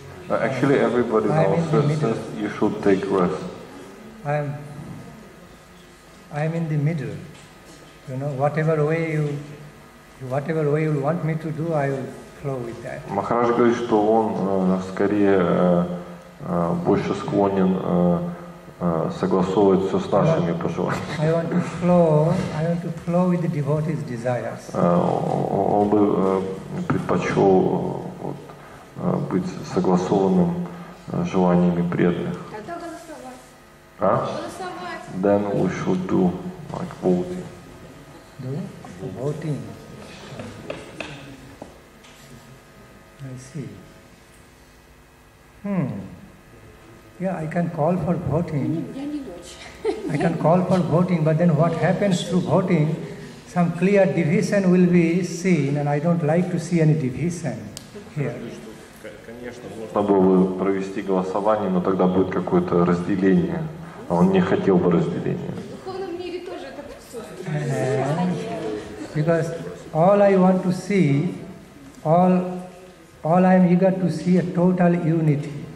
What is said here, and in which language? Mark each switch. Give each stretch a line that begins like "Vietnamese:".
English: Actually, everybody knows that you should take rest. I am in the middle. You know, whatever way you want me to do, I will flow with that.
Russian: Maharaj говорит, что он скорее больше склонен согласовывать все с нашими пожеланиями.
English: I want to flow with the devotee's desires.
Russian: Он бы предпочел вот, быть согласованным желаниями преданных. Тогда голосовать.
English: А? Then we should do like voting. Do voting. I see. Yeah, I can call for voting. I can call for voting, but then what happens through voting? Some clear division will be seen, and I don't like to see any division here.
Russian: Конечно, можно было провести голосование, но тогда будет какое-то разделение. А он не хотел бы разделения. В духовном мире тоже это присутствует.
English: Because all I want to see, all I am eager to see a total unity.